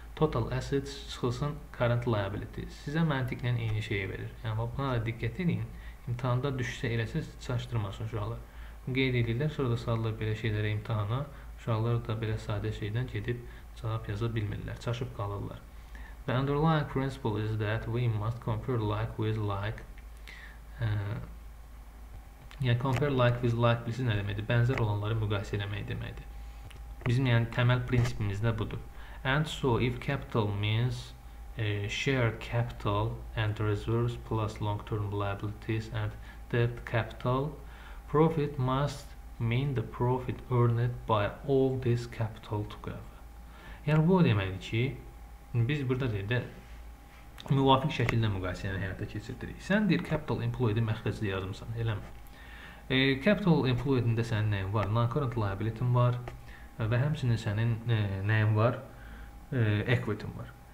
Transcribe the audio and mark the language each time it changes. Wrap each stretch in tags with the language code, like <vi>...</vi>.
<az>Total assets çıxılsın current liabilities. Sizə məntiqlə eyni şeyi verir. Yəni buna da diqqət edin. İmtahanda düşsə eləsiz çaşdırmasın uşaqlar. Qeyd edirlər, sonra da salırlar belə şeylərə imtahana. Uşaqlar da belə sadə şeydən gedib cavab yaza bilmirlər, çaşıb qalırlar.</az> <en>The underlying principle is that we must compare like with like.</en> <az>Yəni</az> <en>compare like with like</en> <az>bilirsiniz nə deməkdir? Bənzər olanları müqayisə eləmək deməkdir. Bizim yəni təməl prinsipimiz də budur.</az> <en>And so if capital means share capital and reserves plus long term liabilities and debt capital, profit must mean the profit earned by all this capital together.</en> <az>Yəni bu deməkdir ki, biz burada dedə müvafiq şəkildə müqayisəni həyata keçirdirik. Sən deyir capital employed məxrəcli yazmısan, eləmi? Capital employed-ində sənin nəyin var? Non-current liability-n var və həmçinin sənin nəyin var? Equity-n var.</az>